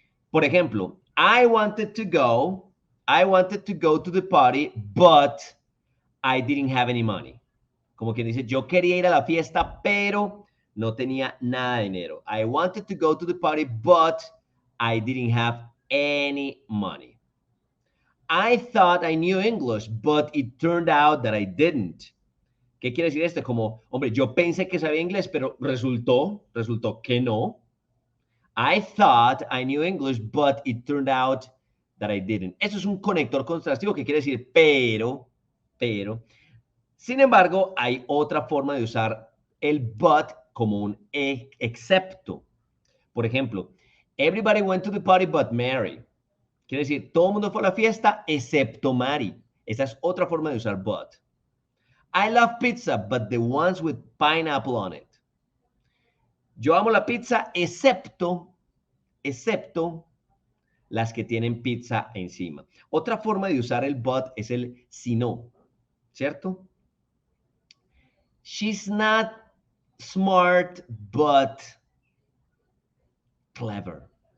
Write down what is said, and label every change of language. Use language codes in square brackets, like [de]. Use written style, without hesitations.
[es] Por ejemplo, [en] I wanted to go to the party, but I didn't have any money. [es] Como quien dice, yo quería ir a la fiesta, pero no tenía nada de dinero. [en] I wanted to go to the party, but I didn't have any money. I thought I knew English, but it turned out that I didn't. [es] ¿Qué quiere decir esto? Como, hombre, yo pensé que sabía inglés, pero resultó que no. [en] I thought I knew English, but it turned out that I didn't. [es] Eso es un conector contrastivo que quiere decir pero. Sin embargo, hay otra forma de usar el but como un excepto. Por ejemplo, [en] everybody went to the party but Mary. [es] Quiere decir, todo el mundo fue a la fiesta excepto Mari. Esa es otra forma de usar but. [en] I love pizza, but the ones with pineapple on it. [es] Yo amo la pizza excepto las que tienen pizza encima. Otra forma de usar el but es el si no, ¿cierto? [en] She's not smart, but clever.